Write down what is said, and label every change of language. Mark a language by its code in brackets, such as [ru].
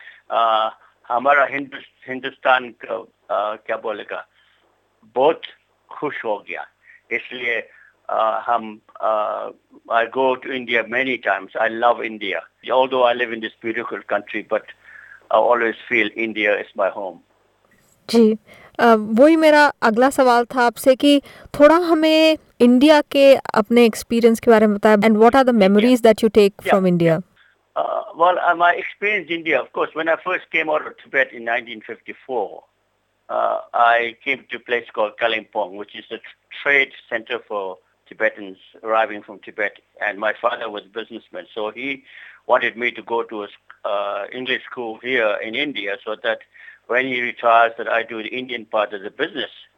[hi] Hamara Hindustan ka kya bole ka, bahut khush ho gaya. [en] Isliye I go to India many times. I love India. Although I live in this beautiful country, but I always feel India is my home. [hi] जी, वही मेरा अगला सवाल था आपसे कि थोड़ा हमें India के अपने एक्सपीरियंस के बारे में बताएं, [en] and what are the memories that you take from India? Well, my experience in India, of course, when I first came out of Tibet in 1954, I came to a place called Kalimpong, which is a trade center for Tibetans arriving from Tibet, and my father was a businessman, so he wanted me to go to a English school here in India so that when he retires that I do the Indian part of the business.